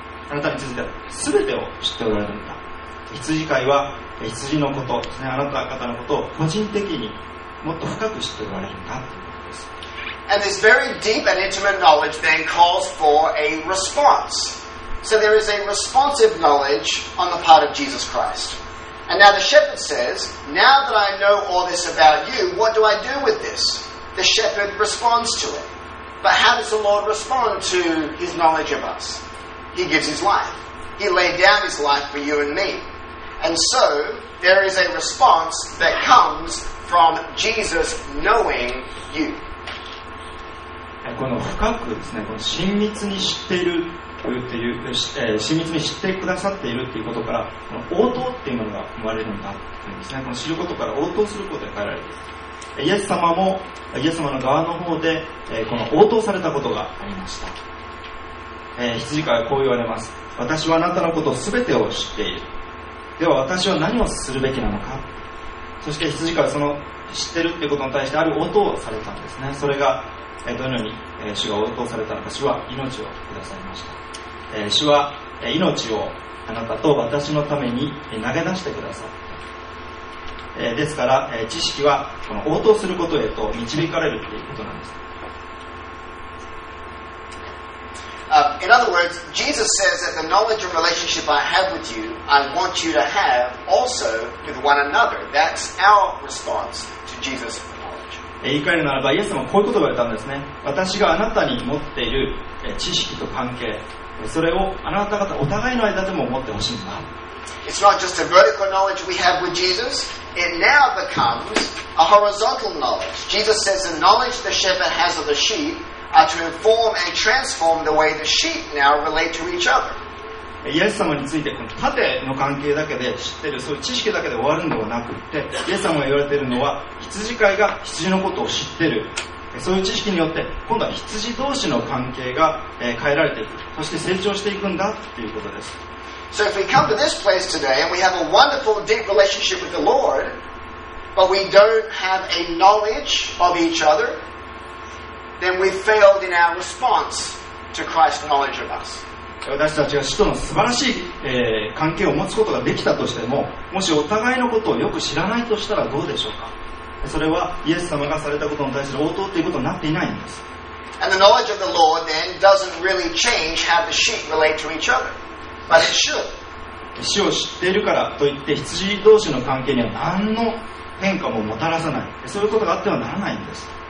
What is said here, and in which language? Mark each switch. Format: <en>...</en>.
<ja>あなたについては全てを知っておられるんだ。羊飼いは羊のこと、ね、あなた方のことを個人的にもっと深く知っておられるんだということです。</ja> <en>And this very deep and intimate knowledge then calls for a response. So there is a responsive knowledge on the part of Jesus Christ. And now the shepherd says, now that I know all this about you, what do I do with this? The shepherd responds to it. But how does the Lord respond to his knowledge of us? He gives his life. He laid down his life for you and me. And so there is a response that comes from Jesus knowing you.</en> <ja>この深くですね、この親密に知っているっていう、親密に知ってくださっているということから、この応答っていうものが生まれるんだっていうんですね。この知ることから応答することが変えられる。イエス様もイエス様の側の方で、この応答されたことがありました。羊飼いはこう言われます。私はあなたのことを全てを知っている。では私は何をするべきなのか。そして羊飼いはその知ってるっていうことに対してある応答をされたんですね。それがどのように主が応答されたのか。主は命をくださいました。主は命をあなたと私のために投げ出してくださった。ですから知識はこの応答することへと導かれるということなんです。</ja> <en>In other words, Jesus says that the knowledge and relationship I have with you, I want you to have also with one another. That's our response to Jesus.</en> <ja>言い換えるならば、イエス様はこういう言葉を言ったんですね。私があなたに持っている知識と関係、それをあなた方お互いの間でも持ってほしいんだ。</ja> <en>It's not just a vertical knowledge we have with Jesus. It now becomes a horizontal knowledge. Jesus says the knowledge the shepherd has of the sheep are to inform and transform the way the sheep now relate to each other.</en> <ja>イエス様についてこの縦の関係だけで知ってる、そういう知識だけで終わるのではなくって、イエス様が言われているのは羊飼いが羊のことを知ってる、そういう知識によって今度は羊同士の関係が変えられていく、そして成長していくんだということです。</ja> <en>So if we come to this place today and we have a wonderful deep relationship with the Lord, but we don't have a knowledge of each other, then we failed in our response to Christ's knowledge of us.</en> <ja>私たちが主との素晴らしい、関係を持つことができたとしても、もしお互いのことをよく知らないとしたらどうでしょうか。それはイエス様がされたことに対する応答ということになっていないんです。</ja> <en>And the knowledge of the Lord then doesn't really change how the sheep relate to each other, but it should.</en> <ja>主を知っているからといって羊同士の関係には何の変化ももたらさない、そういうことがあってはならないんです。</ja>